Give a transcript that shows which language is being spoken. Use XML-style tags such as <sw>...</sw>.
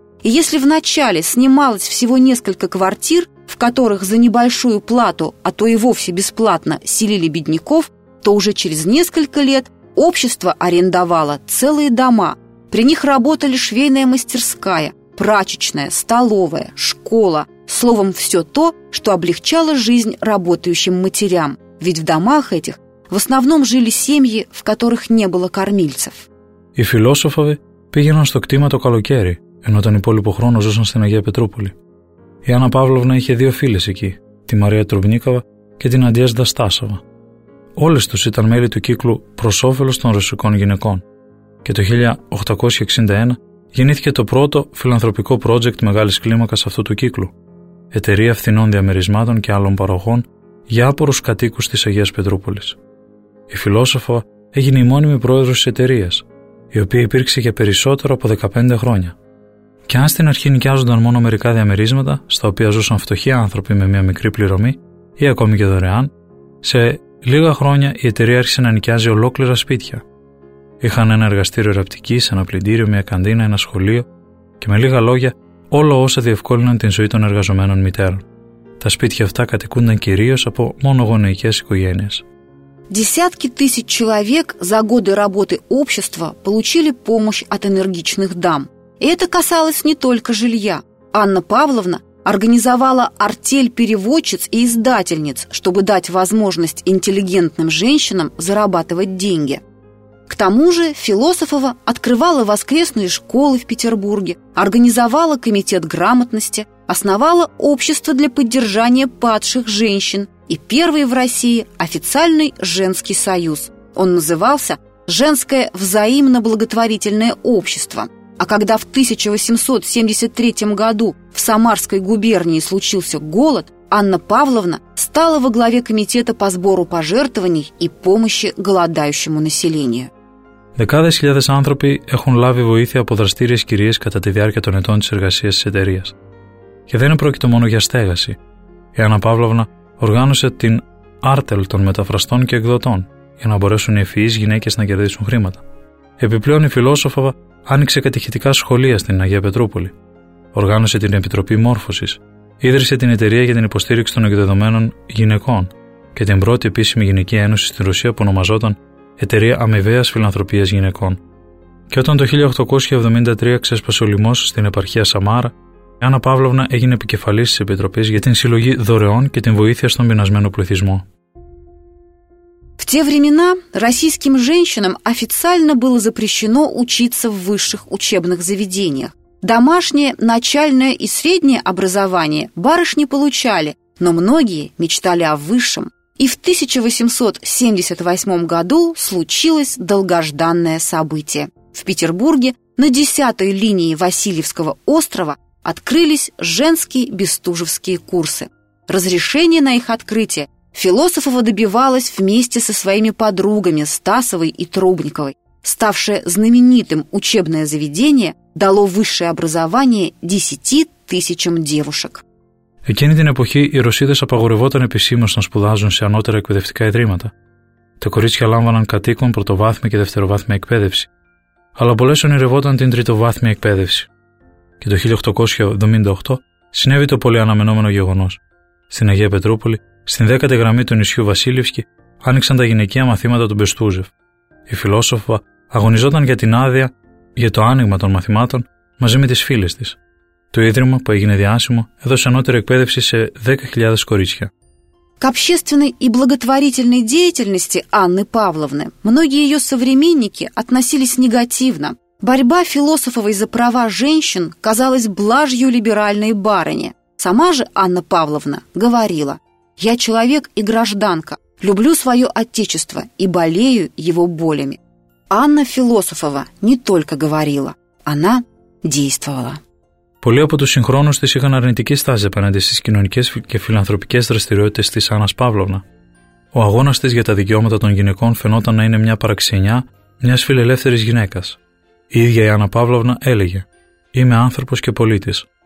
<ru>И если вначале снималось всего несколько квартир, в которых за небольшую плату, а то и вовсе бесплатно, селили бедняков, то уже через несколько лет общество арендовало целые дома. При них работали швейная мастерская, прачечная, столовая, школа. Словом, все то, что облегчало жизнь работающим матерям. Ведь в домах этих в основном жили семьи, в которых не было кормильцев.</ru> <el>Οι φιλόσοφοι πήγαιναν στο κτήμα το καλοκαίρι, ενώ τον υπόλοιπο χρόνο ζούσαν στην Αγία Πετρούπολη. Η Άννα Παύλωνα είχε δύο φίλες εκεί, τη Μαρία Τρουμνίκαβα και την Αντιέζδα Στάσαβα. Όλες τους ήταν μέλη του κύκλου προς όφελος των ρωσικών γυναικών. Και το 1861 γεννήθηκε το πρώτο φιλανθρωπικό project μεγάλης κλίμακας αυτού του κύκλου, εταιρεία φθηνών διαμερισμάτων και άλλων παροχών για άπορους κατοίκους της Αγίας Πετρούπολης. Η φιλόσοφο έγινε η μόνιμη πρόεδρος της εταιρείας, η οποία υπήρξε για περισσότερο από 15 χρόνια. Και αν στην αρχή νοικιάζονταν μόνο μερικά διαμερίσματα, στα οποία ζούσαν φτωχοί άνθρωποι με μια μικρή πληρωμή ή ακόμη και δωρεάν, σε λίγα χρόνια η εταιρεία άρχισε να νοικιάζει ολόκληρα σπίτια. Είχαν ένα εργαστήριο ραπτικής, ένα πλυντήριο, μια καντίνα, ένα σχολείο και με λίγα λόγια όλα όσα διευκόλυναν την ζωή των εργαζομένων μητέρων. Τα σπίτια αυτά κατοικούνταν κυρίως από μονογονεϊκές οικογένειες.</el> <ru>Десятки тысяч человек за годы работы общества получили помощь от энергичных дам. И это касалось не только жилья. Анна Павловна организовала артель переводчиц и издательниц, чтобы дать возможность интеллигентным женщинам зарабатывать деньги. К тому же Философова открывала воскресные школы в Петербурге, организовала комитет грамотности, основала общество для поддержания падших женщин и первый в России официальный женский союз. Он назывался «Женское взаимно-благотворительное общество». А когда в 1873 году в Самарской губернии случился голод, Анна Павловна стала во главе комитета по сбору пожертвований и помощи голодающему населению.</ru> <el>Δεκάδες χιλιάδες άνθρωποι έχουν λάβει βοήθεια από δραστήριες κυρίες κατά τη διάρκεια των ετών της εργασίας της εταιρείας. Και δεν πρόκειται μόνο για στέγαση. Η Άννα Παύλωνα οργάνωσε την Άρτελ των μεταφραστών και εκδοτών, για να μπορέσουν οι ευφυείς γυναίκες να κερδίσουν χρήματα. Επιπλέον, η Φιλόσοφα άνοιξε κατηχητικά σχολεία στην Αγία Πετρούπολη. Οργάνωσε την Επιτροπή Μόρφωσης. Ίδρυσε την Εταιρεία για την Υποστήριξη των Εκδεδομένων Γυναικών και την πρώτη επίσημη γυναική ένωση στην Ρωσία που ονομαζόταν Εταιρεία Αμοιβαίας Φιλανθρωπίας Γυναικών. Και όταν το 1873 ξέσπασε ο λοιμός στην επαρχία Σαμάρα, η Άννα Παύλωνα έγινε επικεφαλής της Επιτροπής για την συλλογή δωρεών και την βοήθεια στον πεινασμένο πληθυσμό.</el> <ru>В те времена российским женщинам официально было запрещено учиться в высших учебных заведениях. Домашнее, начальное и среднее образование барышни получали, но многие мечтали о высшем. И в 1878 году случилось долгожданное событие. В Петербурге на 10-й линии Васильевского острова открылись женские бестужевские курсы. Разрешение на их открытие Философова добивалась вместе со своими подругами Стасовой и Трубниковой. Ставшее знаменитым учебное заведение дало высшее образование 10 тысячам девушек.</ru> <el>Εκείνη την εποχή οι Ρωσίδες απαγορευόταν επισήμως να σπουδάζουν σε ανώτερα εκπαιδευτικά ιδρύματα. Τα κορίτσια λάμβαναν κατοίκον πρωτοβάθμια και δευτεροβάθμια εκπαίδευση. αλλά πολλές ονειρευόταν την τριτοβάθμια εκπαίδευση. Και το 1878 συνέβη το πολύ αναμενόμενο γεγονός. Στην Αγία Πετρούπολη, στην 10η γραμμή του νησιού Βασίλευσκη, άνοιξαν τα γυναικεία μαθήματα του Μπεστούζεφ. Η φιλόσοφα αγωνιζόταν για την άδεια για το άνοιγμα των μαθημάτων μαζί με τις φίλες της. Το ίδρυμα που έγινε διάσημο έδωσε ανώτερη εκπαίδευση σε 10.000 κορίτσια.</el> <ru>К общественной и благотворительной деятельности Анны Павловны многие ее современники относились негативно. Борьба философовой за права женщин казалась блажью либеральной барыни. Сама же Анна Павловна говорила: «Я человек и гражданка, люблю свое отечество и болею его болями». Анна Философова не только говорила, она действовала.</ru> <el>Πολλοί από τους συγχρόνους της είχαν αρνητική στάση απέναντι στις κοινωνικές και φιλανθρωπικές δραστηριότητες της Άννας Παύλωνα. Ο αγώνας της για τα δικαιώματα των γυναικών φαινόταν να είναι μια παραξενιά μιας φιλελεύθερης γυναίκας. Η ίδια η Άννα Παύλωνα έλεγε: «Είμαι άνθρωπος και πολίτης.</el>